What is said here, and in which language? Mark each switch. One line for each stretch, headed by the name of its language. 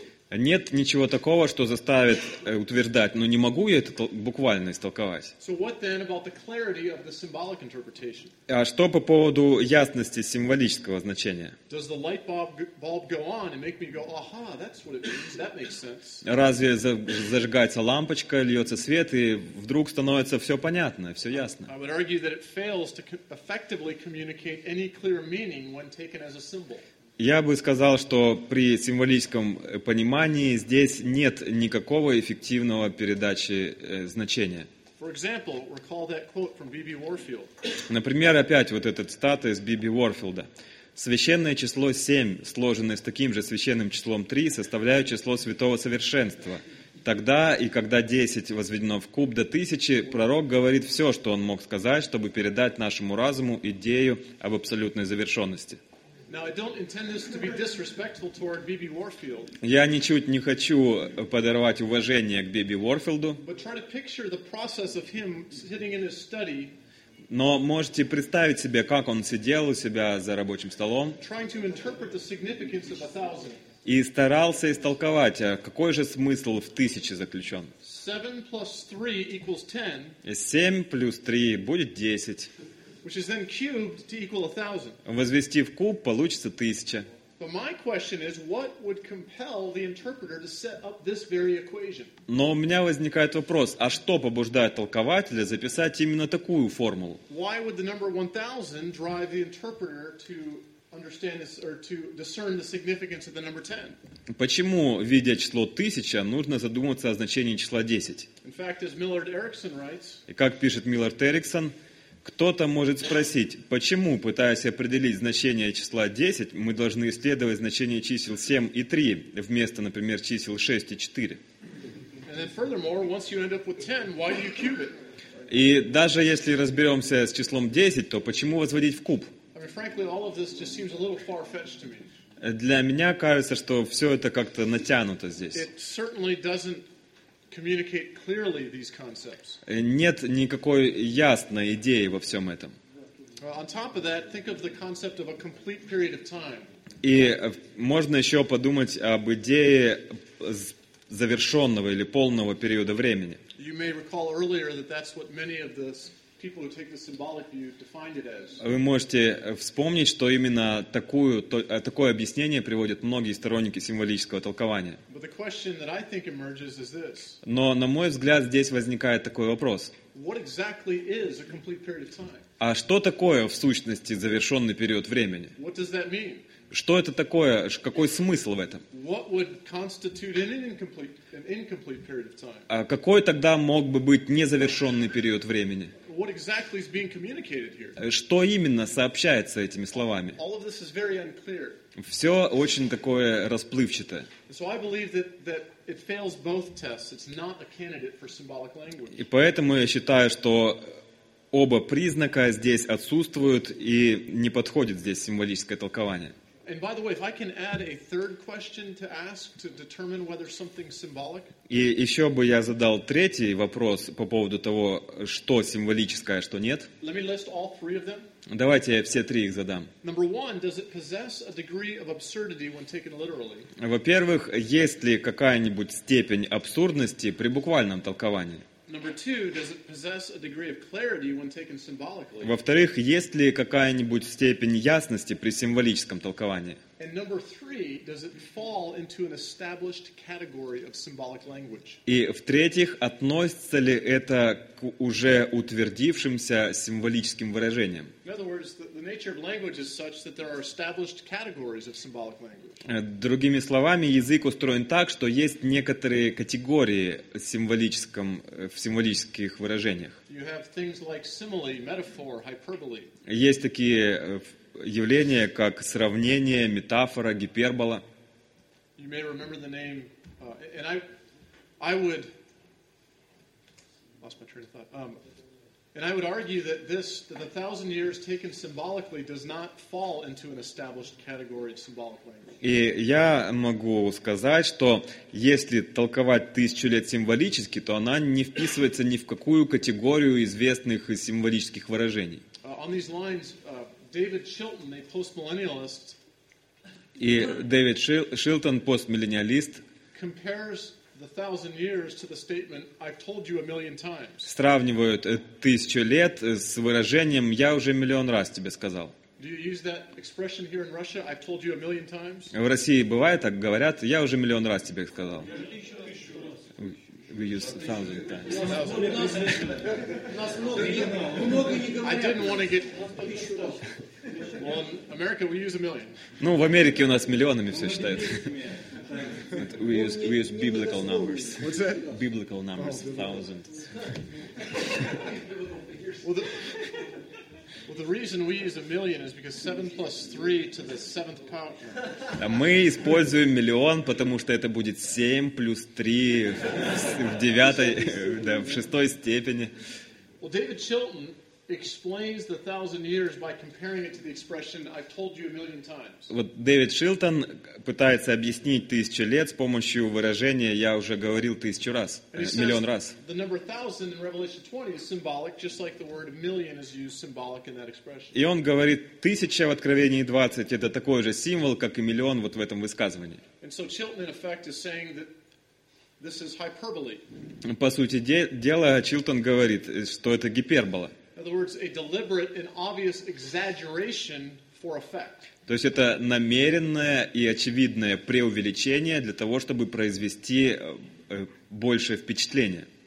Russian: Нет ничего такого, что заставит утверждать, ну не могу я это буквально истолковать.
English: So what then about the clarity of the symbolic interpretation?
Russian: А что по поводу ясности символического значения?
English: Does the light bulb go on and make me go, aha, that's what it means, that makes sense?
Russian: Разве зажигается лампочка, льется свет, и вдруг становится все понятно, все ясно?
English: I would argue that it fails to effectively communicate any clear meaning when taken as a symbol.
Russian: Я бы сказал, что при символическом понимании здесь нет никакого эффективного передачи значения.
English: For example, recall that quote from B.B. Warfield.
Russian: Например, опять вот этот цитат из Би-Би Уорфилда. «Священное число 7, сложенное с таким же священным числом 3, составляет число святого совершенства. Тогда и когда 10 возведено в куб до 1000, пророк говорит все, что он мог сказать, чтобы передать нашему разуму идею об абсолютной завершенности».
English: Now I don't intend this to be disrespectful toward B.B. Warfield.
Russian: Я ничуть не хочу подорвать уважение к Би-Би Уорфилду.
English: But try to picture the process of him sitting in his study.
Russian: Но можете представить себе, как он сидел у себя за рабочим столом.
English: Trying to interpret the significance of 1,000.
Russian: И старался истолковать, а какой же смысл в 1000 заключен?
English: 7 + 3 = 10.
Russian: 7 + 3 = 10.
English: Which is then cubed to equal 1,000.
Russian: Возвести в куб получится 1,000.
English: But my question is, what would compel the interpreter to set up this very equation?
Russian: Но у меня возникает вопрос, а что побуждает толкователя записать именно такую формулу?
English: Why would the number 1,000 drive the interpreter to understand this or to discern the significance of the number 10.
Russian: Почему, видя число 1000, нужно задуматься о значении числа 10?
English: In fact, as Millard Erickson writes,
Russian: и как пишет Миллард Эриксон, кто-то может спросить, почему, пытаясь определить значение числа 10, мы должны исследовать значение чисел 7 и 3 вместо, например, чисел 6 и 4?
English: And then furthermore, once you end up with 10, why do you cube it?
Russian: И даже если разберемся с числом 10, то почему возводить в куб?
English: I mean, frankly, all of this just seems a little far-fetched to me.
Russian: Для меня кажется, что все это как-то натянуто здесь.
English: It certainly doesn't communicate clearly these concepts.
Russian: Нет никакой ясной идеи во всем этом.
English: On top of that, think of the concept of a complete period of time.
Russian: И можно еще подумать об идее завершенного или полного периода времени.
English: You may recall earlier that that's what many of the people who take the symbolic view defined it as.
Russian: Вы можете вспомнить, что именно такое объяснение приводят многие сторонники символического толкования.
English: But the question that I think emerges is this.
Russian: Но, на мой взгляд, здесь возникает такой вопрос.
English: What exactly is a complete period of time?
Russian: А что такое, в сущности, завершенный период времени?
English: What does that mean?
Russian: Что это такое? Какой смысл в этом?
English: What would constitute an incomplete period of time?
Russian: А какой тогда мог бы быть незавершенный период времени?
English: What exactly is being communicated here?
Russian: Что именно сообщается этими словами?
English: All of this is very unclear.
Russian: Все очень такое расплывчатое.
English: So I believe that it fails both tests. It's not a candidate for symbolic language.
Russian: И поэтому я считаю, что оба признака здесь отсутствуют и не подходит здесь символическое толкование.
English: And by the way, if I can add a third question to ask to determine whether something's symbolic.
Russian: И еще бы я задал третий вопрос по поводу того, что символическое, а что нет.
English: Let me list all three of them.
Russian: Давайте я все три их задам.
English: Number one, does it possess a degree of absurdity when taken literally?
Russian: Во-первых, есть ли какая-нибудь степень абсурдности при буквальном толковании?
English: Number two, does it possess a degree of clarity when taken symbolically?
Russian: Во-вторых, есть ли какая-нибудь степень ясности при символическом толковании?
English: And number three, does it fall into an established category of symbolic language?
Russian: И в-третьих, относится ли это к уже утвердившимся символическим выражениям?
English: In other words, the nature of language is such that there are established categories of symbolic language.
Russian: Другими словами, язык устроен так, что есть некоторые категории в символических выражениях.
English: You have things like simile, metaphor, hyperbole.
Russian: Есть такие явление, как сравнение, метафора, гипербола.
English: You may remember the name, and I would lost my train of thought. And I would argue that this, the thousand years taken symbolically, does not fall into an established category of symbolic language.
Russian: И я могу сказать, что если толковать тысячу лет символически, то она не вписывается ни в какую категорию известных символических выражений.
English: On these lines, David Chilton, a postmillennialist,
Russian: и Дэвид Шилтон, постмиллениалист,
English: compares the thousand years to the statement I've told you a million times.
Russian: Сравнивают тысячу лет с выражением «я уже миллион раз тебе сказал».
English: Do you use that expression here in Russia? I've told you a million times.
Russian: В России бывает так говорят «я уже миллион раз тебе сказал».
English: We use a thousand times. I didn't want to get. Well, in America we use a million.
Russian: Ну, в Америке у нас миллионами все считают.
English: We use biblical numbers. What's that? Biblical numbers, thousand. Well, the reason we use a million is because 7 + 3 to the 7th power.
Russian: Мы используем миллион, потому что это будет 7 + 3 в девятой, да, в шестой степени.
English: Well, David Chilton explains the thousand years by comparing it to the expression I've told you a million times.
Russian: Вот Дэвид Шилтон пытается объяснить тысячу лет с помощью выражения «я уже говорил тысячу раз», миллион раз.
English: The number 1000 in Revelation 20 is symbolic, just like the word million is used symbolic in that expression.
Russian: И он говорит, тысяча в Откровении 20 — это такой же символ, как и миллион вот в этом высказывании.
English: And so Chilton, in effect, is saying that this is hyperbole.
Russian: По сути дела, Чилтон говорит, что это гипербола.
English: In other words, a deliberate and obvious exaggeration for effect.
Russian: То есть это намеренное и очевидное преувеличение для того, чтобы произвести большее впечатление.